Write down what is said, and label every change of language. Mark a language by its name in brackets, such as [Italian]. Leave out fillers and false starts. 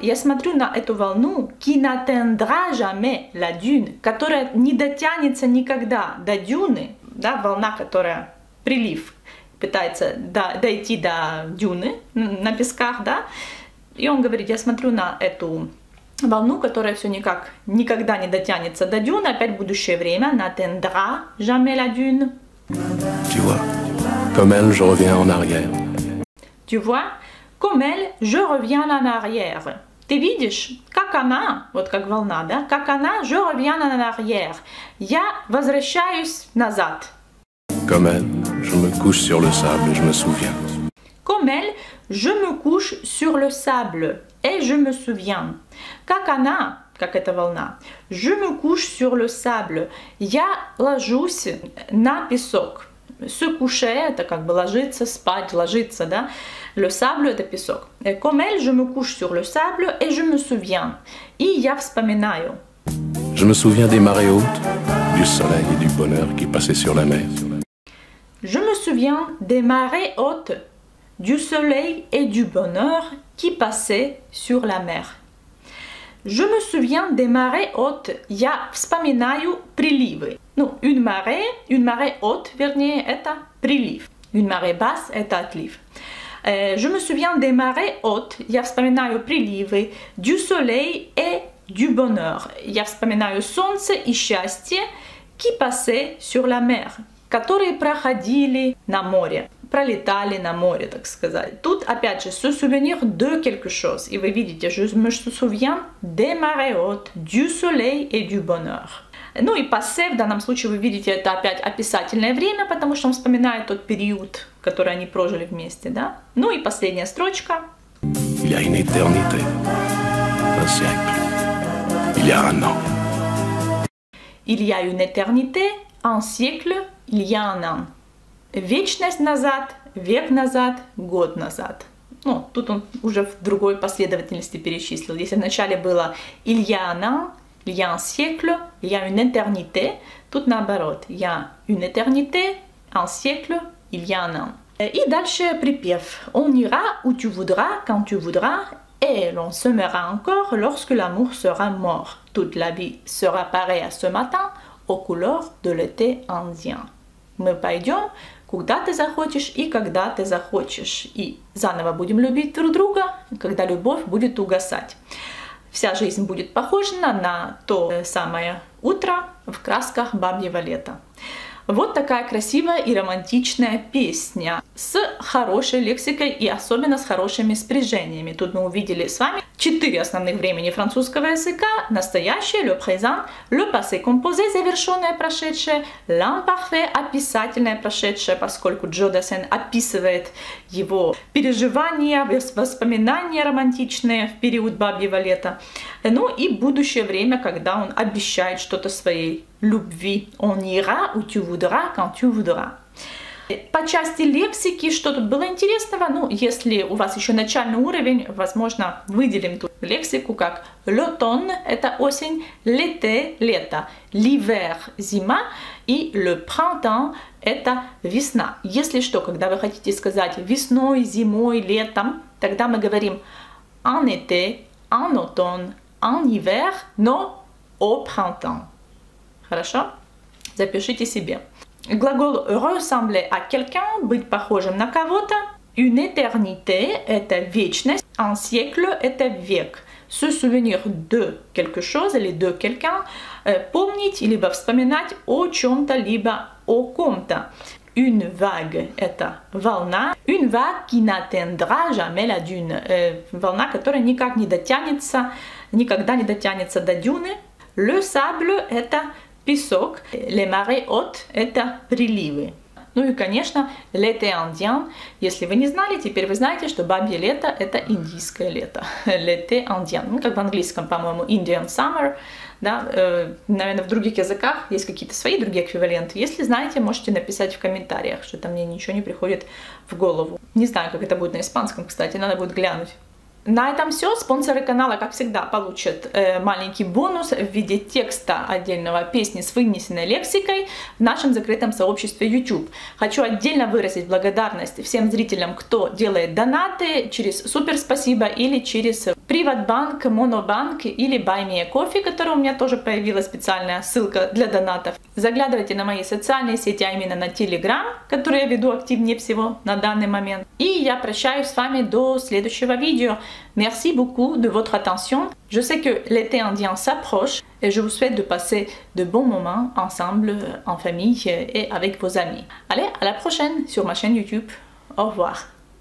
[Russian] Я смотрю на эту волну, [French] qui n'atteindra jamais la dune, [Russian] которая не дотянется никогда до дюны, да, волна, которая прилив. Пытается дойти до дюны на песках, да? И он говорит, я смотрю на эту волну, которая все никак, никогда не дотянется до дюны. Опять будущее время. [French] N'atteindra jamais la dune. Tu vois, comme elle, je reviens en arrière. Tu vois, comme elle, je reviens en arrière. [Russian] Ты видишь, как она, вот как волна, да? Как она, [French] je reviens en arrière. [Russian] Я возвращаюсь назад. [French] Comme elle. Je me couche sur le sable et je me souviens. Comme elle, je me couche sur le sable et je me souviens. [Russian] Как она, как эта волна. [French] Je me couche sur le sable. [Russian] Я ложусь на песок. [French] Se coucher, [Russian] это как бы ложиться, спать, ложиться, да? Le sable, это песок. [French] Comme elle, je me couche sur le sable et je me souviens. [Russian] И я вспоминаю. [French] Je me souviens des marées hautes, du soleil et du bonheur qui passaient sur la mer. Je me souviens des marées hautes, du soleil et du bonheur qui passaient sur la mer. Je me souviens des marées hautes. [Russian] Я вспоминаю приливы. [French] Ну, une marée haute, [Russian] вернее, это прилив. [French] Une marée basse – [Russian] это отлив. [French] Je me souviens des marées hautes, [Russian] я вспоминаю приливы, [French] du soleil et du bonheur. [Russian] Я вспоминаю солнце и счастье, [French] qui passaient sur la mer, [Russian] которые проходили на море, пролетали на море, так сказать. Тут, опять же, [French] se souvenir de quelque chose. [Russian] И вы видите, [French] je me souviens des marées hautes, du soleil et du bonheur. [Russian] Ну и passé, в данном случае, вы видите, это опять описательное время, потому что он вспоминает тот период, который они прожили вместе, да? Ну и последняя строчка. [French] Il y a une éternité, un siècle, il y a un an. Il y a une éternité, un siècle, il y a un an. [Russian] Вечность назад, век назад, год назад. Ну, тут он уже в другой последовательности перечислил. Если вначале было [French] il y a un an, il y a un siècle, il y a une éternité, [Russian] тут наоборот. [French] Il y a une éternité, un siècle, il y a un an. [Russian] И дальше припев. [French] On ira où tu voudras, quand tu voudras, et l'on semera encore lorsque l'amour sera mort. Toute la vie sera pareille à ce matin, aux couleurs de l'été indien. [Russian] Мы пойдем, куда ты захочешь и когда ты захочешь. И заново будем любить друг друга, когда любовь будет угасать. Вся жизнь будет похожа на то самое утро в красках бабьего лета. Вот такая красивая и романтичная песня с хорошей лексикой и особенно с хорошими спряжениями. Тут мы увидели с вами 4 основных времени французского языка. Настоящее, le présent, le passé composé, завершенное прошедшее, l'imparfait, описательное прошедшее, поскольку Джо Дассен описывает его переживания, воспоминания романтичные в период бабьего лета. Ну и будущее время, когда он обещает что-то своей любви. [French] On ira où tu voudras, quand tu voudras. [Russian] По части лексики, что тут было интересного? Ну, если у вас еще начальный уровень, возможно, выделим тут лексику, как l'automne – это осень, l'été – лето, l'hiver – зима, и le printemps – это весна. Если что, когда вы хотите сказать весной, зимой, летом, тогда мы говорим en été, en automne, en hiver, но au printemps. Хорошо? Запишите себе. Глагол [French] ressembler à quelqu'un, [Russian] быть похожим на кого-то. Une éternité – это вечность. Un siècle – это век. [French] Se souvenir de quelque chose [Russian] или [French] de quelqu'un. [Russian] Помнить или вспоминать о чем-то, либо о ком-то. Une vague – это волна. [French] Une vague qui n'atteindra jamais la dune. [Russian] Волна, которая никак не дотянется, никогда не дотянется до дюны. Le sable – это песок, les marées hautes – это приливы. Ну и, конечно, l'été indien. Если вы не знали, теперь вы знаете, что бабье лето – это индийское лето. [French] L'été indien. [Russian] Ну, как в английском, по-моему, Indian summer. Да? Наверное, в других языках есть какие-то свои другие эквиваленты. Если знаете, можете написать в комментариях, что это мне ничего не приходит в голову. Не знаю, как это будет на испанском, кстати, надо будет глянуть. На этом все. Спонсоры канала, как всегда, получат маленький бонус в виде текста отдельного песни с вынесенной лексикой в нашем закрытом сообществе YouTube. Хочу отдельно выразить благодарность всем зрителям, кто делает донаты через Супер Спасибо или через Приватбанк, Монобанк или Buy Me a Coffee, которая у меня тоже появилась специальная ссылка для донатов. Заглядывайте на мои социальные сети, а именно на Telegram, который я веду активнее всего на данный момент. И я прощаюсь с вами до следующего видео. [French] Merci beaucoup de votre attention. Je sais que l'été indien s'approche et je vous souhaite de passer de bons moments ensemble, en famille et avec vos amis. Allez, à la prochaine sur ma chaîne YouTube. Au revoir.